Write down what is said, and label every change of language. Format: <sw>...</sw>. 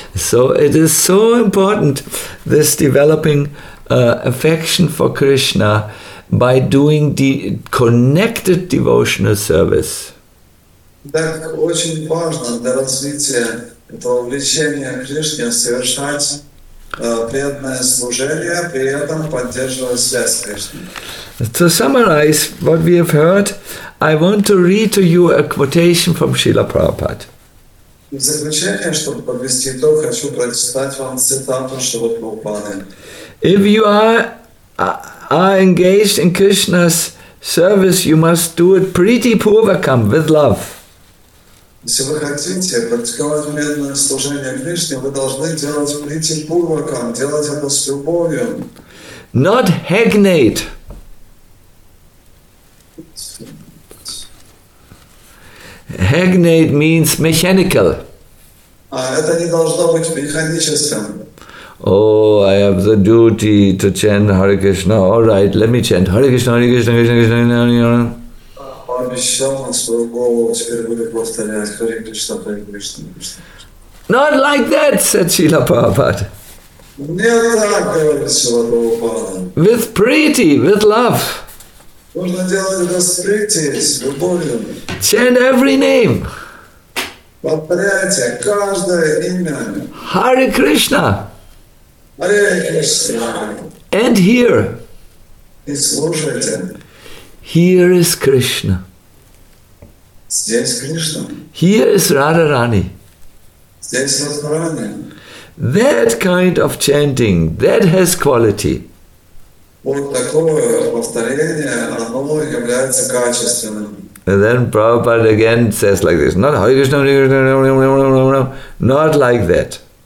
<en>So it is so important, this developing affection for Krishna, by doing the connected devotional service.</en> <ru>Так очень важно для развития этого влечения Кришне совершать преданное служение, при этом поддерживая связь с Кришной.</ru> <en>To summarize what we have heard, I want to read to you a quotation from Srila Prabhupada.</en> <ru>В заключение, чтобы подвести итог, хочу прочитать вам цитату Шрилы Прабхупады.</ru> <en>If you are engaged in Krishna's service, you must do it pretty purvakam, with love.</en> <ru>Если вы хотите практиковать преданное служение Кришне, вы должны делать прити пурвакам, делать это с любовью.</ru> <en>Not hagnate. Hagnate means mechanical.</en> <ru>А это не должно быть механическим.</ru> <en>Oh, I have the duty to chant Hare Krishna. All right, let me chant Hare Krishna, Hare Krishna, Krishna Krishna, Hare Hare.</en> <ru>Обещал на свою голову, теперь буду повторять Hare Krishna, Hare Krishna.</ru> <en>Not like that, said Srila Prabhupada.</en> <ru>Не так, говорит Srila Prabhupada.</ru> <en>With pretty, with love.</en> <ru>Нужно делать это с pretty, с любовью.</ru> <en>Chant every name.</en> <ru>Повторяйте каждое имя.</ru> <sa>Hare Krishna. Hare Krishna.</sa> <en>And here.</en> <ru>И слушайте.</ru> <en>Here is Krishna.</en> <ru>Здесь Кришна.</ru> <en>Here is Radharani.</en> <ru>Здесь Радхарани.</ru> <en>That kind of chanting, that has quality.</en> <ru>Вот такое повторение, оно является качественным.</ru> <en>And then Prabhupada again says like this, not Hare Krishna, Hare Krishna, Hare Krishna, Hare Krishna, Hare Krishna, not like that.</en>